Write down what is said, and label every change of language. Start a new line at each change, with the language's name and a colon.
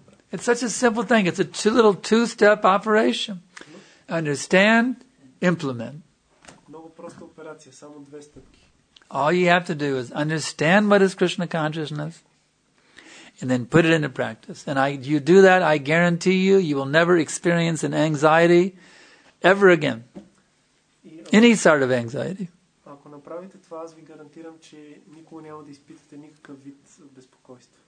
English: It's such a simple thing. It's a little two-step operation. Understand, implement.
Bulgarian: Много проста операция, само две стъпки.
English: All you have to do is understand what is Krishna consciousness and then put it into practice. And you do that, I guarantee you, you will never experience an anxiety ever again. Any sort of anxiety.
Bulgarian: Ако направите това, аз ви гарантирам, че никога няма да изпитате никакъв вид безпокойство.